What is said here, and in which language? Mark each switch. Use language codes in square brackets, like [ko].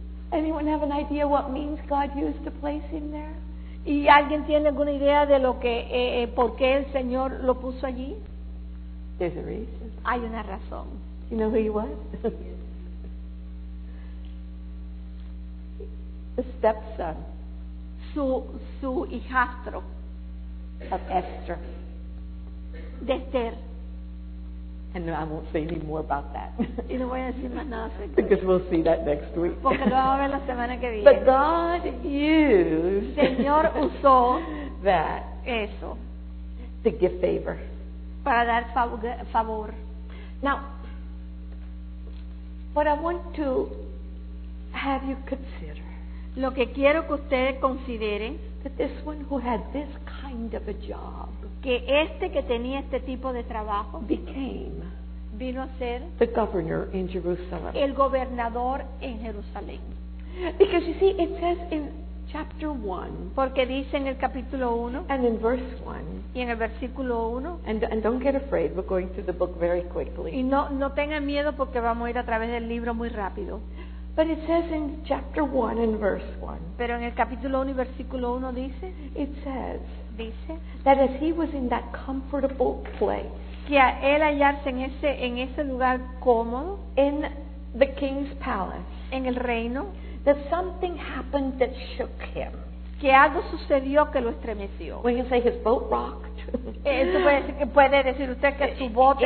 [en] Anyone have an idea what means God used to place him there? [es] ¿Y alguien tiene alguna idea de lo que por qué el Señor lo puso allí? [en] There's a reason. [es] Hay una razón. [en] You know who he was? The stepson. [es] Su hijastro. [en] Of Esther. [es] De Esther. [en] And I won't say any more about that. [es] Y no voy a decir más nada acerca. [en] Because we'll see that next week. [es] Porque lo vamos a ver la semana que viene. [en] But God used. [es] Señor usó. [en] That. [es] Eso. [en] To give favor. [es] Para dar favor. [en] Now, what I want to have you consider. [es] Lo que quiero que ustedes consideren. [en] That this one who had this kind of a job. [es] Que este que tenía este tipo de trabajo. [en] Became. [es] Vino a ser. [en] The governor in Jerusalem. [es] El gobernador en Jerusalén. [en] Because you see, it says in chapter 1. [es] Porque dice en el capítulo 1. [en] And in verse 1. [es] Y en el versículo 1. [en] And don't get afraid, we're going through the book very quickly. [es] Y no tengan miedo porque vamos a ir a través del libro muy rápido. [en] But it says in chapter 1 and verse 1. [es] Pero en el capítulo 1 y versículo 1 dice. [en] It says. [es] Dice. [en] That as he was in that comfortable place. [es] Que a él hallarse en ese lugar cómodo. [en] In the king's palace. [es] En el reino. [en] That something happened that shook him. [es] Que algo sucedió que lo estremeció. [en] We can say his boat rocked. [es] Eso puede decir usted que su bote